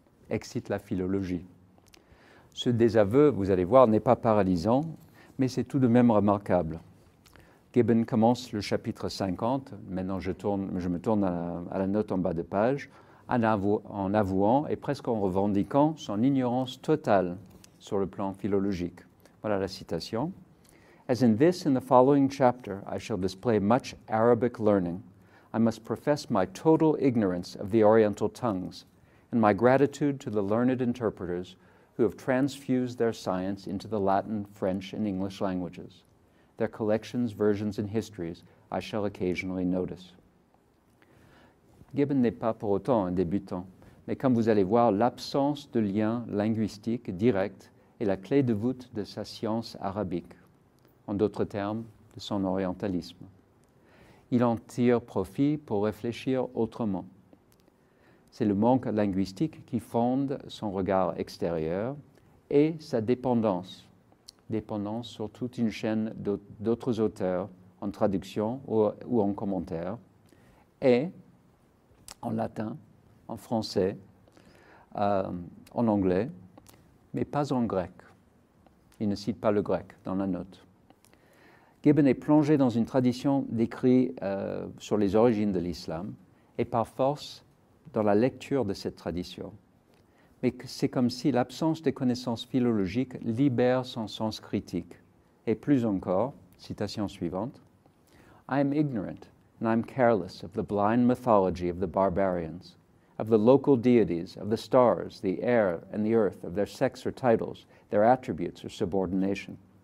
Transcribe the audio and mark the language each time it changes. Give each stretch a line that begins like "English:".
French: Excite la philologie. Ce désaveu, vous allez voir, n'est pas paralysant, mais c'est tout de même remarquable. Gibbon commence le chapitre 50, maintenant je me tourne à la note en bas de page, en avouant et presque en revendiquant son ignorance totale sur le plan philologique. Voilà la citation.
English: As in this and the following chapter, I shall display much Arabic learning. I must profess my total ignorance of the Oriental tongues and my gratitude to the learned interpreters who have transfused their science into the Latin, French, and English languages. Their collections, versions, and histories I shall occasionally notice.
French: Gibbon n'est pas pour autant un débutant, mais comme vous allez voir, l'absence de lien linguistique direct est la clé de voûte de sa science arabique, en d'autres termes, de son orientalisme. Il en tire profit pour réfléchir autrement. C'est le manque linguistique qui fonde son regard extérieur et sa dépendance sur toute une chaîne d'autres auteurs en traduction ou en commentaire, et en latin, en français, en anglais, mais pas en grec. Il ne cite pas le grec dans la note. Gibbon est plongé dans une tradition d'écrit sur les origines de l'islam et par force dans la lecture de cette tradition. Mais c'est comme si l'absence de connaissances philologiques libère son sens critique Et plus encore, citation suivante,
English: I am ignorant and I am careless of the blind mythology of the barbarians, of the local deities, of the stars, the air and the earth, of their sex or titles, their attributes or subordination.